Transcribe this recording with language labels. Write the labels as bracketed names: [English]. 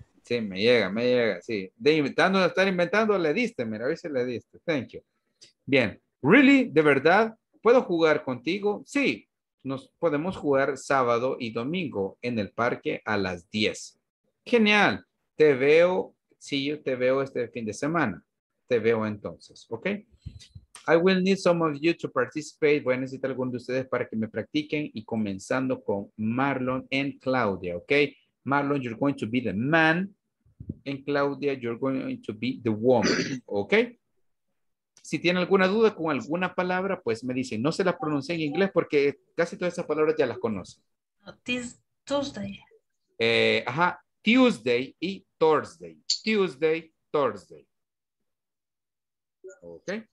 [Spanish] Sí, me llega, sí. De inventando, de estar inventando, le diste, mira, a veces le diste. [English] Thank you. [Spanish] Bien. [English] Really, [Spanish] de verdad, ¿puedo jugar contigo? Sí, nos podemos jugar sábado y domingo en el parque a las 10. Genial. Te veo, sí, yo te veo este fin de semana. Te veo entonces, ¿ok? [English] I will need some of you to participate. [Spanish] Voy a necesitar alguno de ustedes para que me practiquen y comenzando con Marlon and Claudia, ¿ok? [English] Marlon, you're going to be the man and Claudia, you're going to be the woman, ¿ok? [Spanish] Si tiene alguna duda con alguna palabra, pues me dice, no se la pronuncie en inglés porque casi todas esas palabras ya las conocen. [English] Tuesday. Tuesday y Thursday. Tuesday, Thursday. Okay.